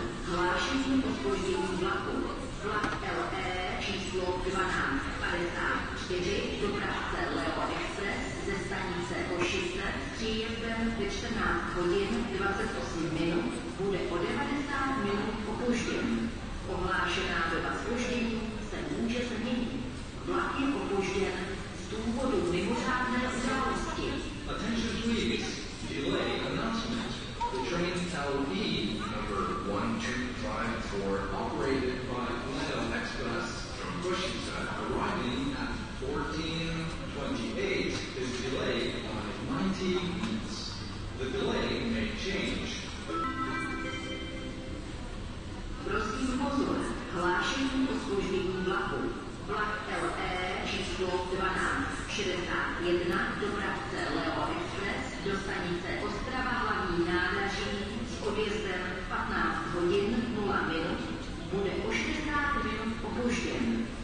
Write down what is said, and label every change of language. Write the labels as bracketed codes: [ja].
[cs] Hlášení o zpoždění vlaku. Vlak LE číslo 1254 do Pravce Leo Express ze stanice Košice s příjezdem ve 14 hodin 28 minut bude o 90 minut opožděn. Ohlášená doba zpoždění se může změnit. Vlak je opožděn z důvodu mimořádné události. [en] Attention please. Delay announcement. The train LV number 1254 operated by Leo Express from Kushisa arriving at 14:28 is delayed by 90 minutes. The delay may change. [cs] Prosím pozor, hlášení o zpoždění vlaku. Vlak LE číslo 1261 do Pravce Leo Express do stanice Ostrava hlavní nádraží s odjezdem 15 hodin 0 minut bude o 60 minut opožděn.